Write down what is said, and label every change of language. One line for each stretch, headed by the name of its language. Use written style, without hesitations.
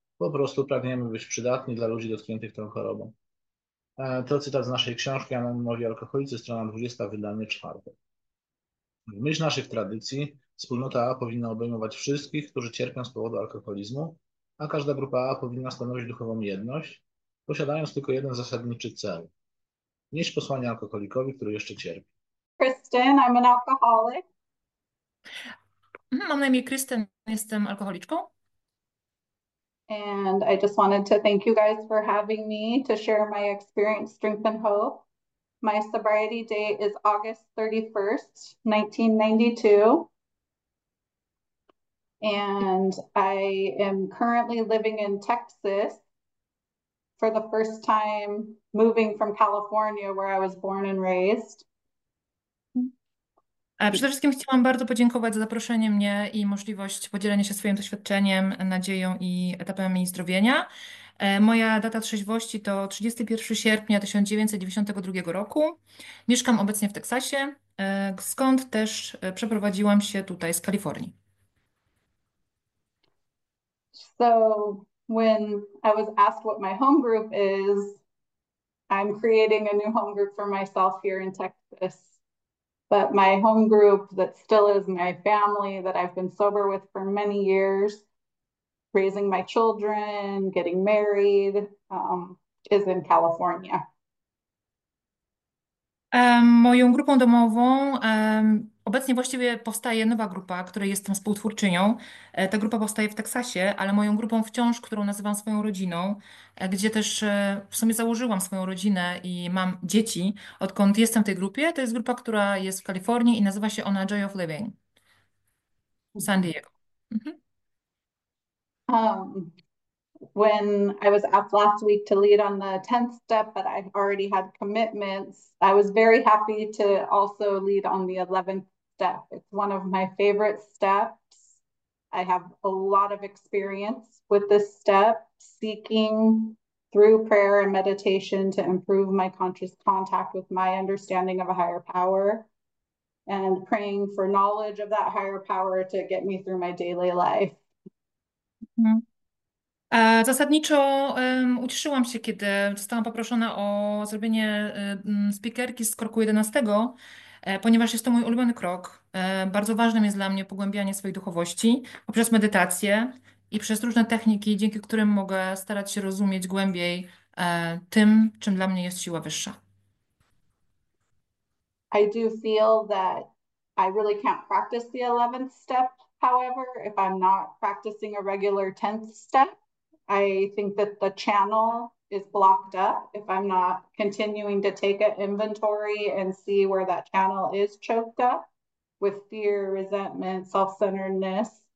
Polish: Po prostu pragniemy być przydatni dla ludzi dotkniętych tą chorobą. To cytat z naszej książki Anonimowi Alkoholicy, strona 20, wydanie 4. W myśl naszych tradycji wspólnota A powinna obejmować wszystkich, którzy cierpią z powodu alkoholizmu, a każda grupa A powinna stanowić duchową jedność, posiadając tylko jeden zasadniczy cel. Nieść posłanie alkoholikowi, który jeszcze cierpi.
English: Kristen, I'm an alcoholic.
Polish: Mam na imię Kristen, jestem alkoholiczką.
English: And I just wanted to thank you guys for having me to share my experience, strength and hope. My sobriety date is August 31st, 1992. And I am currently living in Texas for the first time moving from California where I was born and raised.
Polish: Przede wszystkim chciałam bardzo podziękować za zaproszenie mnie i możliwość podzielenia się swoim doświadczeniem, nadzieją i etapami zdrowienia. Moja data trzeźwości to 31 sierpnia 1992 roku. Mieszkam obecnie w Teksasie, skąd też przeprowadziłam się tutaj z Kalifornii.
English: So when I was asked what my home group is, I'm creating a new home group for myself here in Texas. But my home group that still is my family that I've been sober with for many years, raising my children, getting married, is in California.
Polish: Moją grupą domową, obecnie właściwie powstaje nowa grupa, której jestem współtwórczynią. Ta grupa powstaje w Teksasie, ale moją grupą wciąż, którą nazywam swoją rodziną, gdzie też w sumie założyłam swoją rodzinę i mam dzieci, odkąd jestem w tej grupie, to jest grupa, która jest w Kalifornii i nazywa się ona Joy of Living w San Diego.
English: When I was asked last week to lead on the 10th step, but I already had commitments, I was very happy to also lead on the 11th step. It's one of my favorite steps. I have a lot of experience with this step, seeking through prayer and meditation to improve my conscious contact with my understanding of a higher power and praying for knowledge of that higher power to get me through my daily life.
Polish: Zasadniczo ucieszyłam się, kiedy zostałam poproszona o zrobienie speakerki z kroku 11, ponieważ jest to mój ulubiony krok. Bardzo ważnym jest dla mnie pogłębianie swojej duchowości poprzez medytację i przez różne techniki, dzięki którym mogę starać się rozumieć głębiej tym, czym dla mnie jest siła wyższa.
English: I do feel that I really can't practice the 11th step, however, if I'm not practicing a regular 10th step. I think that the channel is blocked up if I'm not continuing to take an inventory and see where that channel is choked up with fear, resentment, self-centeredness.